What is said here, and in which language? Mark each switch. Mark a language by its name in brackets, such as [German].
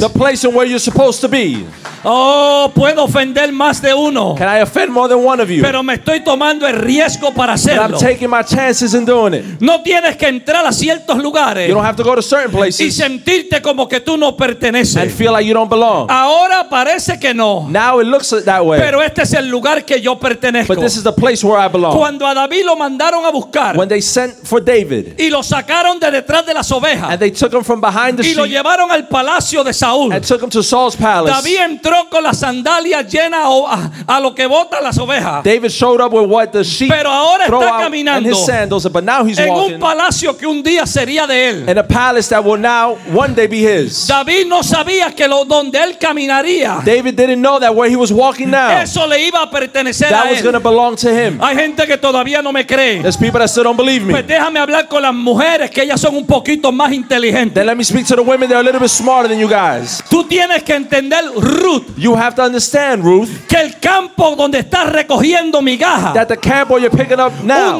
[English] the place and where you're supposed to be. [Spanish] Oh, puedo ofender más de uno. [English] Can I offend more than one of you? [Spanish] Pero me estoy tomando el riesgo para hacerlo. [English] But I'm taking my chances in doing it. [Spanish] No tienes que entrar a ciertos lugares. [English] You don't have to go to certain places. [Spanish] Y sentirte como que tú no perteneces. [English] And feel like you don't belong. [Spanish] Ahora parece que no. [English] Now it looks that way. [Spanish] Pero este es el lugar que yo pertenezco. [English] But this is the place where I belong. [Spanish] Cuando a David lo mandaron a buscar. [English] When they sent for David. [Spanish] Y lo sacaron de detrás de las ovejas. [English] And they took him from behind the sheep. [Spanish] Y lo llevaron al palacio de Saúl. [English] And took him to Saul's palace. [Spanish] David entró con las sandalias llenas a lo que bota las ovejas. [English] David showed up with what the sheep. [Spanish] Pero ahora está caminando [English] his sandals, but now he's [Spanish] en [English] walking [Spanish] un palacio que un día sería de él. [English] In a palace that will now one day be his. [Spanish] David no sabía que lo donde él caminaría. [English] David didn't know that where he was walking now. [Spanish] Eso le iba a pertenecer a él. [English] That was going to belong to him. [Spanish] Hay gente que todavía no me cree. [English] There's people that still don't believe me. [Spanish] Pues déjame hablar con las mujeres que ellas son un poquito más inteligentes. [English] Then let me speak to the women, they're a little bit smarter than you guys. [Spanish] Tú tienes que entender Ruth. Ruth. [English] You have to understand, Ruth, [Spanish] que el campo donde estás recogiendo migajas, [English] that the camp where you're picking up now,